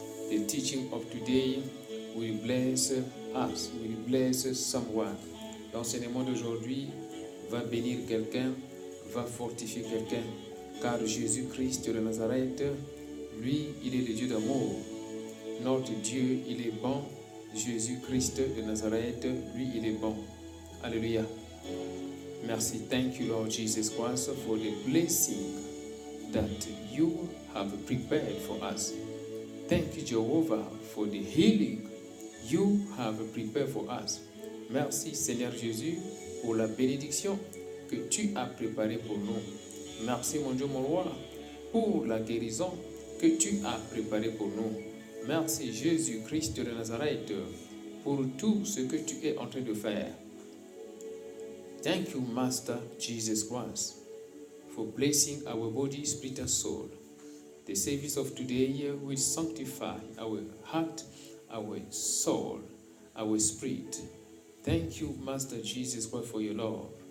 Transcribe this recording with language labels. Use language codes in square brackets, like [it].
[en] The teaching of today will bless us, will bless someone. [fr] L'enseignement d'aujourd'hui va bénir quelqu'un, va fortifier quelqu'un. Car Jésus-Christ de Nazareth, lui, il est le Dieu d'amour. Notre Dieu, il est bon. Jésus-Christ de Nazareth, lui, il est bon. Alléluia. Merci. [en] Thank you, Lord Jesus Christ, for the blessing that you have prepared for us. Thank you, Jehovah, for the healing you have prepared for us. [fr] Merci, Seigneur Jésus, pour la bénédiction que tu as préparée pour nous. Merci, mon Dieu, mon roi, pour la guérison que tu as préparée pour nous. Merci, Jésus-Christ de Nazareth, pour tout ce que tu es en train de faire. [en] Thank you, Master Jesus Christ, for blessing our body, spirit, and soul. The service of today will sanctify our heart, our soul, our spirit. Thank you, Master Jesus Christ, for your love.